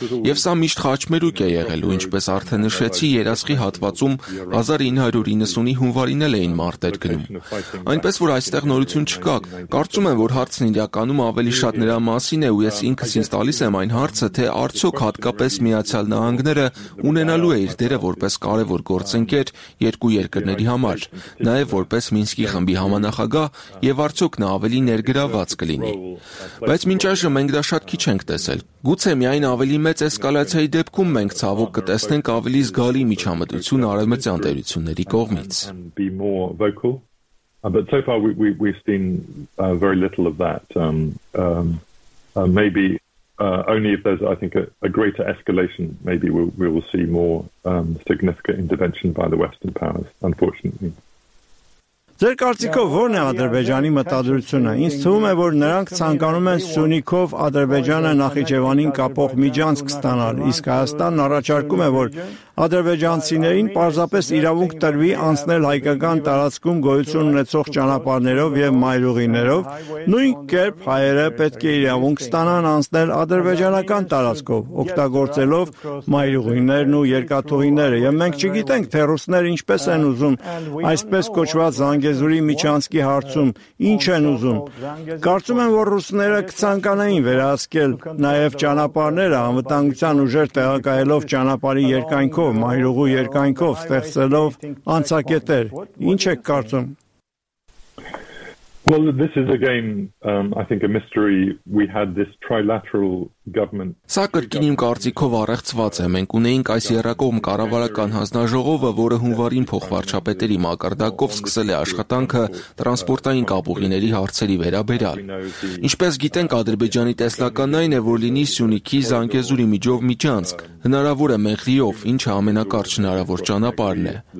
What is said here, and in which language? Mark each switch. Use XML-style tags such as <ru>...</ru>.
<hy>Եվ սա միշտ խաչմերուկ է եղել, ու ինչպես արդեն նշեցի, Երասխի հատվածում 1990-ի հունվարին էին մարտեր գնում։ Այնպես որ այստեղ նորություն չկա։ Կարծում եմ, որ հարցն իրականում ավելի շատ նրա մասին է, ու ես ինքս ինձ տալիս եմ այն հարցը, թե արդյոք հատկապես Միացյալ Նահանգները ունենալու է իր դերը որպես կարևոր գործընկեր երկու երկրների համար, նաև որպես Մինսկի խմբի համանախագահ, եւ արդյոք նա ավելի ներգրավված կլինի։ Բայց մինչ այժմ մենք դա շատ քիչ ենք տեսել։ Գուցե միայն ավելի մեծ էսկալացիայի դեպքում մենք ցավոք կտեսնենք ավելի զգալի միջամտություն արևմտյան տերությունների կողմից։</hy> <en>But so far we've seen very little of that. Only if there's, I think, a greater escalation, maybe we will see more significant intervention by the Western powers, unfortunately.</en> <hy>Ձեր կարծիքով ո՞րն է Ադրբեջանի մտադրությունը։ Ինձ թվում է, որ նրանք ցանկանում են Սյունիքով Ադրբեջանը Նախիջևանին կապող միջանցք ստանալ, իսկ Հայաստանն առաջարկում է, որ ադրբեջանցիներին պարզապես իրավունք տրվի անցնել հայկական տարածքում գոյություն ունեցող ճանապարհներով և մայրուղիներով, նույն կերպ հայերը պետք է իրավունք ստանան անցնել ադրբեջանական տարածքով, օգտագործելով մայրուղիներն ու երկաթուղիները։ Եվ մենք չգիտենք, թե ռուսները ինչպես են ուզում այսպես կոչված Զանգեզուրի միջանցքի հարցում, ինչ են ուզում։ Կարծում եմ, որ ռուսները կցանկանային վերահսկել նաև ճանապարհները, անվտանգության ուժեր տեղակայելով ճանապարհի երկայնքով, մայրուղու երկայնքով, ստեղծելով անցակետեր։ Ինչ եք կարծում։</hy> <en>Well, this is again, I think, a mystery. We had this trilateral government.</en> <hy>Սա կրկին իմ կարծիքով առեղծված է։ Մենք ունեինք այս երկկողմ կառավարական հանձնաժողովը, որը հունվարին փոխվարչապետերի մակարդակով սկսել է աշխատանքը տրանսպորտային կապուղիների հարցերի վերաբերյալ։ Ինչպես գիտենք, Ադրբեջանի տեսլականն այն է, որ լինի Սյունիքի Զանգեզուրի միջով միջանցք, հնարավոր է Մեղրիով, ինչը ամենակարճ հնարավոր ճանապարհն է։</hy>